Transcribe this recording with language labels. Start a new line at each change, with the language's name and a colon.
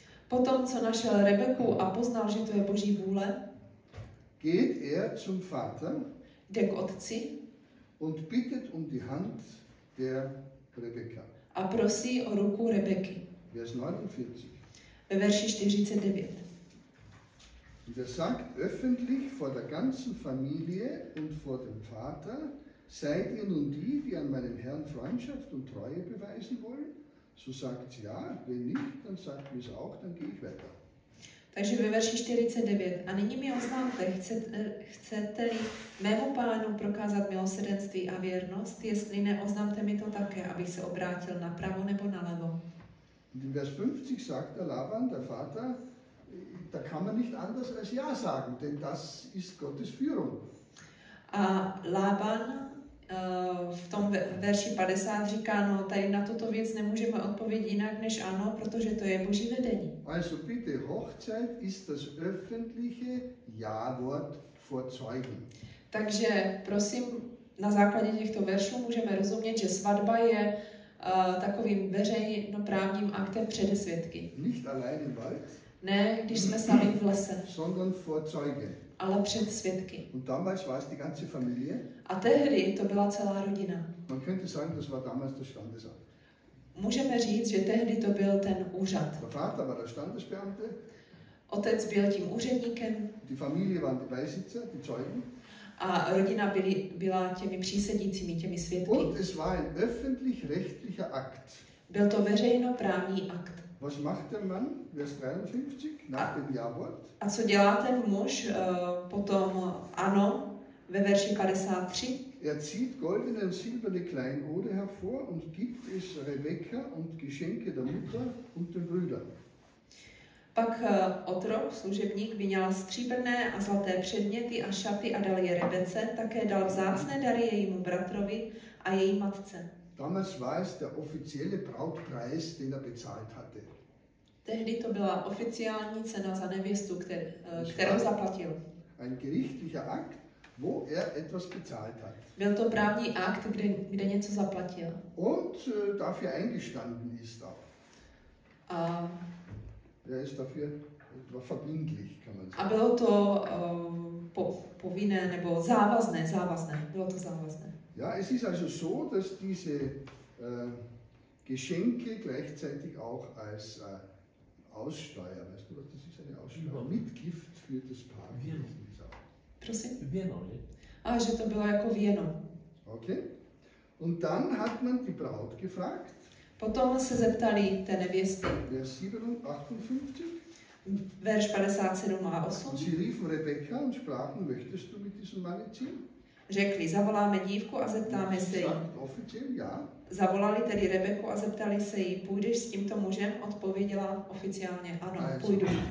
Czech: Potom co našel Rebeku a poznal, že to je Boží vůle.
German: Geht er zum Vater?
Czech: Jde k otci.
German: Und bittet um die Hand der Rebekka.
Czech: A prosí o ruku Rebeky.
German: Vers 49.
Czech: Ve verši 49.
German: Und er sagt öffentlich vor der ganzen Familie und vor dem Vater, seid ihr nun die, die an meinem Herrn Freundschaft und Treue beweisen wollen? So sagt sie ja, wenn nicht, dann sagt mir's auch, dann gehe ich weiter.
Czech: Takže ve verši 49. A nyní mi oznámte, chcete-li mému pánu prokázat milosrdenství a věrnost, jestli ne, oznámte mi to také, abych se obrátil na pravo nebo na levo.
German: In Vers 50 sagt der Laban, der Vater, da kann man nicht anders als ja sagen, denn das ist Gottes Führung.
Czech: A Laban v tom verši 50 říká, no tady na tuto věc nemůžeme odpovědět jinak než ano, protože to je Boží vedení.
German: Also bitte, Hochzeit ist das öffentliche Ja-Wort vor Zeugen.
Czech: Takže prosím, na základě těchto veršů můžeme rozumět, že svatba je takovým veřejnoprávním aktem přede svědky.
German: Nicht allein im Wald.
Czech: Ne, když jsme sami v lese.
German: Sondern vor Zeugen.
Czech: Ale před svědky.
German: Und damals war es die ganze Familie.
Czech: A tehdy to byla celá rodina.
German: Man könnte sagen, das war damals der Standesamt.
Czech: Můžeme říct, že tehdy to byl ten úřad.
German: Der Vater war der Standesbeamte.
Czech: Otec byl tím úředníkem.
German: Die Familie waren die Beisitzer, die Zeugen.
Czech: A rodina byla těmi přísedícími, těmi svědky.
German: Und es war ein öffentlich-rechtlicher Akt.
Czech: Byl to veřejnoprávní akt.
German: Was macht der Mann, Vers 53, nach dem Ja-Wort?
Czech: A co dělá ten muž potom ano, ve verši 53?
German: Er zieht goldene und silberne Kleinode hervor und gibt es Rebekka und Geschenke der Mutter und den Brüdern.
Czech: Pak otrok, služebník, vyňal stříbrné a zlaté předměty a šaty a dal je Rebece, také dal vzácné dary jejímu bratrovi a její matce.
German: Damals war es der offizielle Brautpreis, den er bezahlt hatte.
Czech: Tehdy to byla oficiální cena za nevěstu, kterou zaplatil.
German: Ein gerichtlicher Akt, wo er etwas bezahlt hat.
Czech: Byl to právní akt, kde něco zaplatil.
German: Und dafür eingestanden ist auch.
Czech: A
German: er ist dafür verbindlich, kann man sagen.
Czech: A bylo to povinné nebo závazné. Bylo to závazné.
German: Ja, es ist also so, dass diese Geschenke gleichzeitig auch als Aussteuer, weißt du, das ist eine Aussteuer, Mitgift für das Paar. Vieno.
Czech: Prosím? Vieno, ne? Ah, že to bylo jako Vieno.
English: Okay.
German: Und dann hat man die Braut gefragt.
Czech: Potom se zeptali té nevěsty.
German: Vers 57.
Czech: Verš 57 a 8.
German: Sie riefen Rebekka und sprachen, möchtest du mit diesem Mann ziehen?
Czech: řekli, zavoláme dívku a zeptáme se jí. Zavolali tedy Rebeku a zeptali se jí, půjdeš s tímto mužem? Odpověděla oficiálně, ano, půjdu.